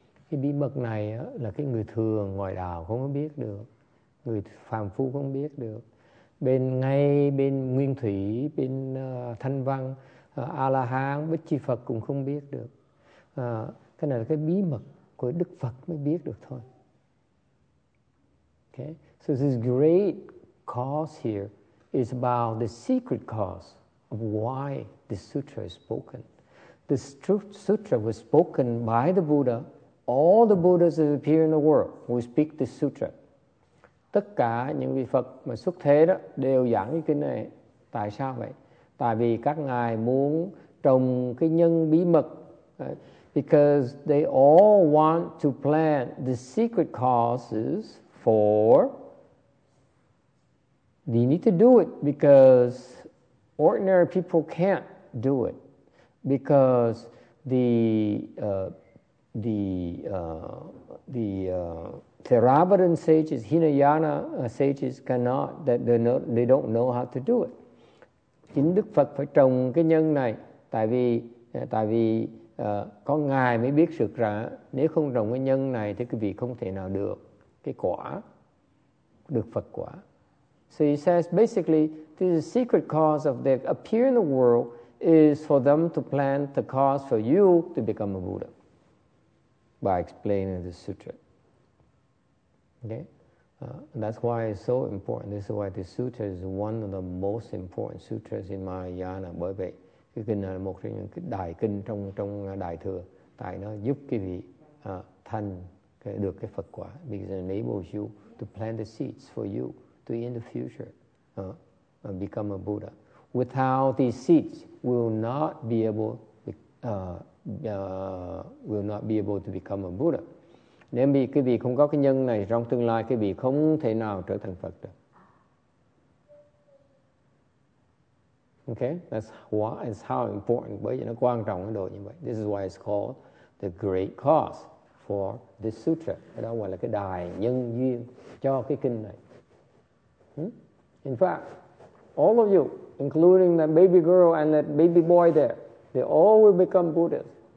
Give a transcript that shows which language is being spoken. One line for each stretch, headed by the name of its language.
Vietnamese: Cái bí mật này là cái người thường ngoài đạo không có biết được, người phàm phu không biết được. Bên ngay bên nguyên thủy, bên thanh văn, A-la-hán, Bích Chi Phật cũng không biết được. Cái này là cái bí mật của Đức Phật mới biết được thôi.
English: Okay. So this great cause here is about the secret cause of why this sutra is spoken. This sutra was spoken by the Buddha. All the Buddhas that appear in the world will speak this sutra.
Vietnamese: Tất cả những vị Phật mà xuất thế đó đều giảng cái kinh này. Tại sao vậy? Tại vì các ngài muốn trồng cái nhân bí mật.
English: Because they all want to plant the secret causes for... They need to do it because ordinary people can't do it. Because the Theravadan sages, Hinayana sages cannot, that they don't know how to do it.
Vietnamese: Chính Đức Phật phải trồng cái nhân này, tại vì có ngài mới biết được rằng nếu không trồng cái nhân này thì quý vị không thể nào được cái quả, được Phật quả.
English: So he says basically, this is a secret cause of their appear in the world. Is for them to plant the cause for you to become a Buddha by explaining this sutra. Okay? That's why it's so important. This is why this sutra is one of the most important sutras in Mahayana.
Vietnamese: Bởi vậy, cái kinh này là một trong những đại kinh trong trong Đại Thừa, tại nó giúp quý vị thành cái, được cái Phật quả,
English: because it enables you to plant the seeds for you to in the future become a Buddha. Without these seeds, will not be able to become a Buddha.
Vietnamese: Nếu vì quý vị không có cái nhân này trong tương lai, quý vị không thể nào trở thành Phật được.
English: Okay, that's why it's how important.
Vietnamese: Bởi vì nó quan trọng đến độ như vậy.
English: This is why it's called the great cause for this sutra.
Vietnamese: Cái đó gọi là cái đài nhân duyên cho cái kinh này.
English: In fact, all of you, including that baby girl and that baby boy there, they all will become Buddhists.